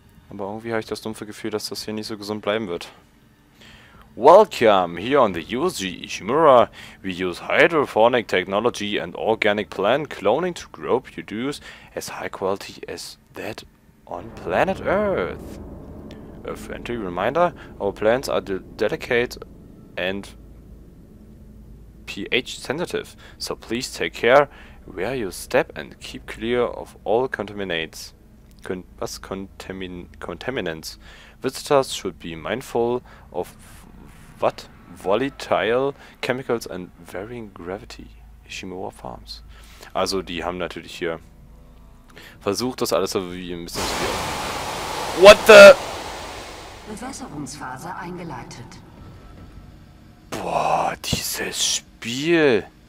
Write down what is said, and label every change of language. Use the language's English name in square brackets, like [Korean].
[German] Aber irgendwie habe ich das dumpfe Gefühl, dass das hier nicht so gesund bleiben wird. [English] Welcome here on the USG Ishimura. We use hydroponic technology and organic plant cloning to grow produce as high quality as that on planet Earth. A friendly reminder, our plants are delicate and pH sensitive, so please take care where you step and keep clear of all contaminants. Contaminants. Visitors should be mindful of what volatile chemicals and varying gravity. Ishimura Farms. [German] Also, die haben natürlich hier versucht, das alles so wie ein bisschen zu. [English] What the? [German] Bewässerungsphase eingeleitet. Boah, dieses Spiel.